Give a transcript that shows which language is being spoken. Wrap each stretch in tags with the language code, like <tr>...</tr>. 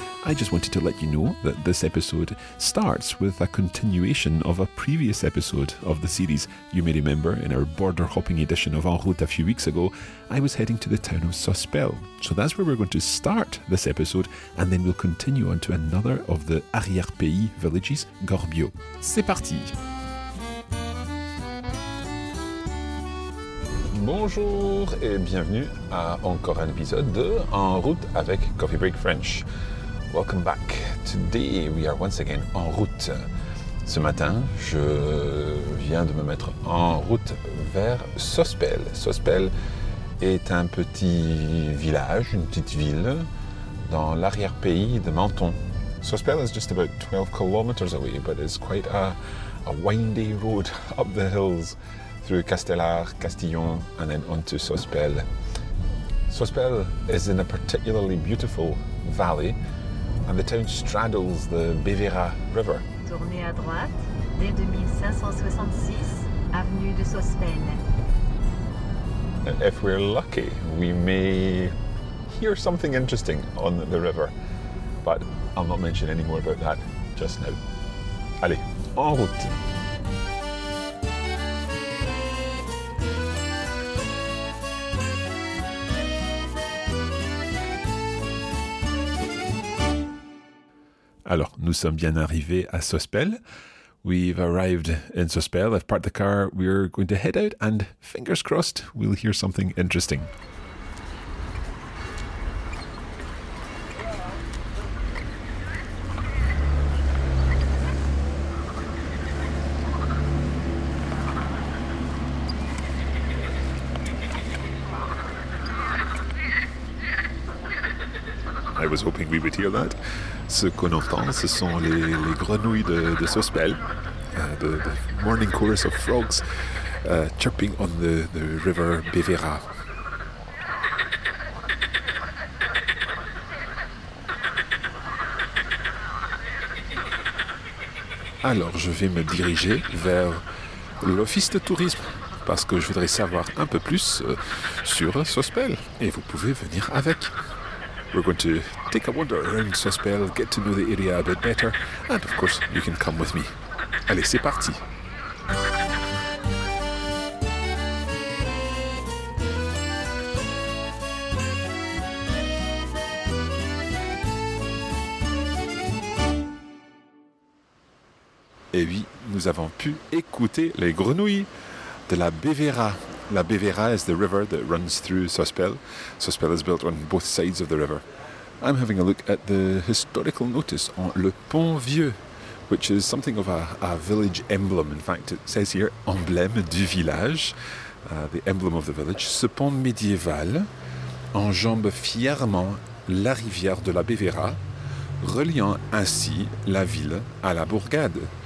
<en>I just wanted to let you know that this episode starts with a continuation of a previous episode of the series. You may remember in our border hopping edition of En Route a few weeks ago, I was heading to the town of Sospel. So that's where we're going to start this episode, and then we'll continue on to another of the arrière-pays villages, Gorbio.</en> <fr>C'est parti! Bonjour et bienvenue à encore un épisode de En Route avec Coffee Break French.</fr> <en>Welcome back. Today, we are once again en route.</en> <fr>Ce matin, je viens de me mettre en route vers Sospel. Sospel est un petit village, une petite ville, dans l'arrière-pays de Menton.</fr> <en>Sospel is just about 12 kilometers away, but it's quite a windy road up the hills through Castellar, Castillon, and then onto Sospel. Sospel is in a particularly beautiful valley, and the town straddles the Bévéra River.</en> <fr>Tournez à droite, dès 2566, avenue de Sospel.</fr> <en>If we're lucky, we may hear something interesting on the river, but I'll not mention any more about that just now.</en> <fr>Allez, en route! Alors, nous sommes bien arrivés à Sospel.</fr> <en>We've arrived in Sospel. I've parked the car. We're going to head out and, fingers crossed, we'll hear something interesting. I was hoping we would hear that.</en> <fr>Ce qu'on entend, ce sont les grenouilles de Sospel,</fr> <en>the morning chorus of frogs chirping on the river Bévéra.</en> <fr>Alors, je vais me diriger vers l'office de tourisme parce que je voudrais savoir un peu plus sur Sospel et vous pouvez venir avec.</fr> <en>We're going to take a wander around Sospel, get to know the area a bit better, and of course, you can come with me.</en> <fr>Allez, c'est parti! Et oui, nous avons pu écouter les grenouilles de la Bévéra.</fr> <en>La Bévéra is the river that runs through Sospel. Sospel is built on both sides of the river. I'm having a look at the historical notice on Le Pont Vieux, which is something of a village emblem. In fact, it says here,</en> <fr>emblème du village,</fr> <en>the emblem of the village.</en> <fr>Ce pont médiéval enjambe fièrement la rivière de la Bévéra, reliant ainsi la ville à la bourgade.</fr>